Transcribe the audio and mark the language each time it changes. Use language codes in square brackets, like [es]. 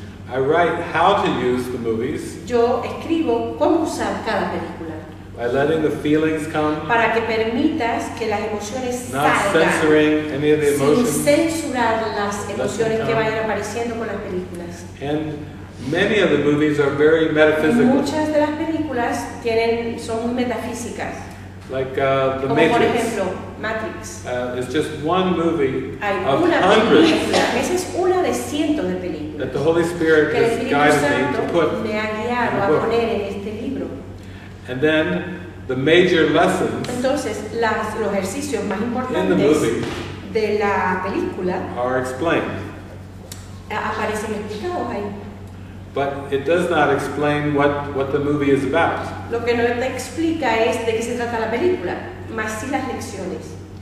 [en] I write how to use the movies. [es] Yo escribo cómo usar cada película. [en] By letting the feelings come. [es] Para que permitas que las emociones salgan. [en] Not censoring any of the emotions. [es] Sin censurar las emociones que vayan apareciendo con las películas. [en] And many of the movies are very metaphysical. [es] Muchas de las películas tienen son metafísicas. [en] Like the [es] como Matrix. Por ejemplo, Matrix. [en] It's just one movie [es] hay [en] of [es] una [en] hundreds. [es] Película. Esa es una de cientos de películas. [en] That the Holy Spirit has guided me to put [es] me ha guiado a poner en este libro. [en] And then the major lessons. [es] Entonces, las, los ejercicios más importantes [en] in the movie [es] de la película [en] are explained. [es] Aparecen explicados ahí. [en] But it does not explain what the movie is about. [es] Lo que no te explica es de qué se trata la película, más sí las lecciones.